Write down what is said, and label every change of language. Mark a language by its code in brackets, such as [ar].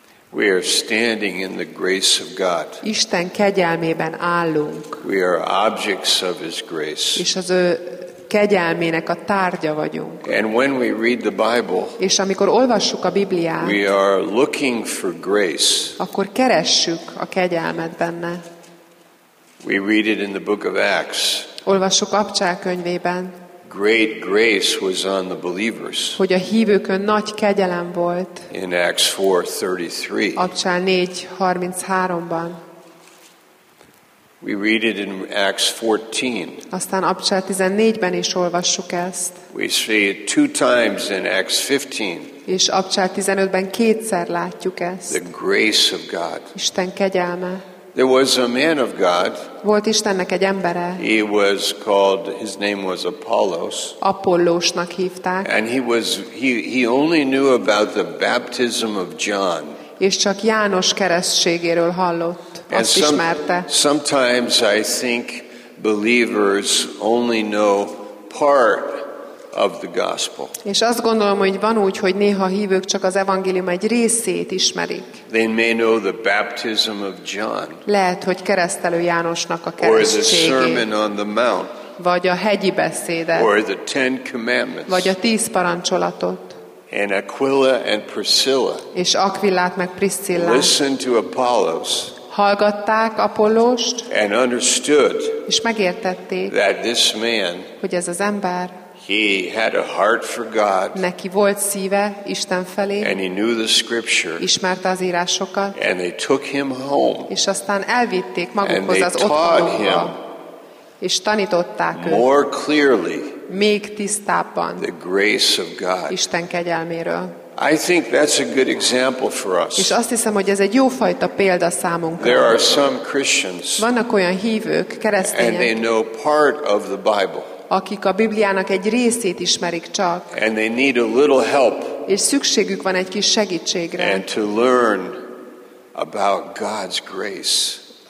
[en] We are standing in the grace of God. [hu] Isten kegyelmében állunk. [en] We are objects of his grace. [hu] És az ő kegyelmének a tárgya vagyunk. [en] And when we read the Bible, [hu] és amikor olvassuk a Bibliát, [en] we are looking for grace. [hu] Akkor keressük a kegyelmet benne. [en] We read it in the book of Acts. [hu] Olvassuk Apcsák könyvében. [en] Great grace was on the believers. [hu] Hogy a hívőkön nagy kegyelem volt. [en] In Acts 4:33. [hu] Apcsán 4:33-ban. [en] We read it in Acts 14. [hu] Aztán Apcsán 14-ben is olvassuk ezt. [en] We see it two times in Acts 15. [hu] És Apcsán 15-ben kétszer látjuk ezt. [en] The grace of God. [hu] Isten kegyelme. [en] There was a man of God. [hu] Volt Istennek egy embere. [en] He was called, his name was Apollos. [hu] Apollósnak hívták. [en] And he only knew about the baptism of John. [hu] És csak János keresztségéről hallott. Azt ismerte. [en] Sometimes I think believers only know part of the gospel. [hu] És azt gondolom, hogy van úgy, hogy néha hívők csak az evangélium egy részét ismerik. [en] They may know the baptism of John. [hu] Lehet, hogy Keresztelő Jánosnak a kereszténységét. [en] Or the sermon on the mount. [hu] Vagy a hegyi beszédet. [en] Or the ten commandments. [hu] Vagy a tíz parancsolatot. [en] And Aquila and Priscilla. [hu] És Aquilát meg Priscillát. [en] Listen to Apollos. [hu] Hallgatták Apollóst. [en] And understood. [hu] És megértették. [en] That this man. [hu] Hogy ez az ember. [en] He had a heart for God. [hu] Neki volt szíve Isten felé. [en] And he knew the scripture. [hu] Ismerte az írásokat. [en] And they took him home. [hu] És aztán elvitték magukhoz az otthonukba. És tanították őt. [en] More clearly. [hu] Még tisztábban. [en] The grace of God. [hu] Isten kegyelméről. [en] I think that's a good example for us. [hu] És azt hiszem, hogy ez egy jó fajta példa számunkra. [en] There are some Christians. [hu] Vannak olyan hívők, keresztények. [en] And they know part of the Bible. [hu] Akik a Bibliának egy részét ismerik csak. [en] And they need a little help. [hu] És szükségük van egy kis segítségre. [en] And to learn about God's grace.